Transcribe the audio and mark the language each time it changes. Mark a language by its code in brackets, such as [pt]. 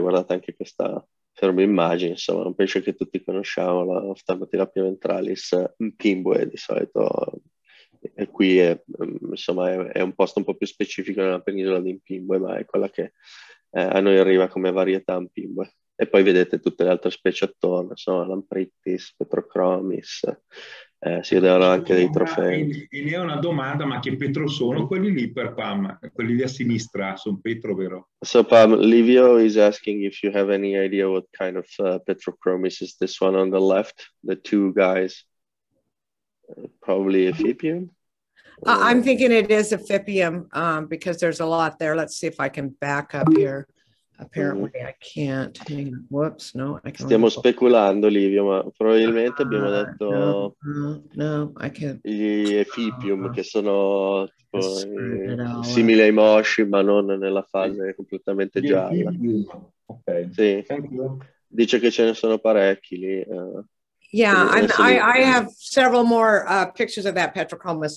[it] Guardate anche questa fermo immagine, insomma, un pesce che tutti conosciamo, la Ophthalmotilapia ventralis Mpimbwe, di solito è qui, è, insomma, è un posto un po' più specifico nella penisola di Mpimbwe, ma è quella che a noi arriva come varietà Mpimbwe. E poi vedete tutte le altre specie attorno, insomma, Lampritis, Petrochromis, si vedevano anche dei trofei. E lì è una domanda, ma che petro sono quelli lì per Pam? Quelli lì a sinistra sono petro, vero? [en] So Pam, Livio is asking if you have any idea what kind of Petrochromis is this one on the left, the two guys, probably a Phipium? I'm thinking it is a Phipium, because there's a lot there. Let's see if I can back up here. Apparently I can't. Whoops, no, I can't. [it] Stiamo speculando, Livio, ma probabilmente abbiamo detto [en] no, I can't. [it] Gli Ephipium, che sono tipo simili ai mosci, ma non nella fase completamente gialla. [en] Okay. [it] Sì. Dice che ce ne sono parecchi lì. [en] I have several more pictures of that Petrochromis.